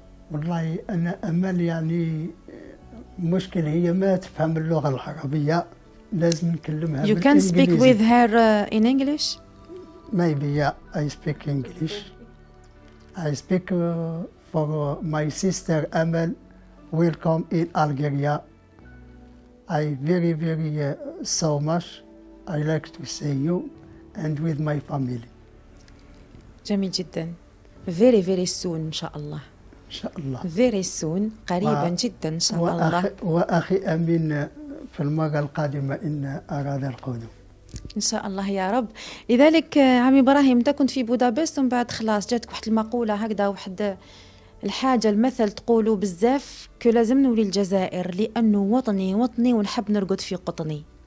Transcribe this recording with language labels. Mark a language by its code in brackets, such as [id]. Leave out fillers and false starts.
[ar] والله أنا أمل يعني مشكلة هي ما تفهم اللغة العربية، لازم نكلمها. [en] You can speak with her in English. Maybe yeah, I speak English. I speak for my sister Amal. Welcome in Algeria. I very very so much. I like to see you and with my family. [ar] جميل جدا. [en] Very very soon [ar] إن شاء الله. إن شاء الله. [en] Very soon، [ar] قريبا جدا إن شاء الله. وأخي أمين في المرة القادمة إن أراد القدوم. إن شاء الله يا رب. لذلك عمي إبراهيم أنت كنت في بودابست ومن بعد خلاص جاتك واحد المقولة هكذا، واحد الحاجة المثل تقولوا بزاف، كلازم نولي الجزائر لأنه وطني وطني ونحب نرقد في قطني.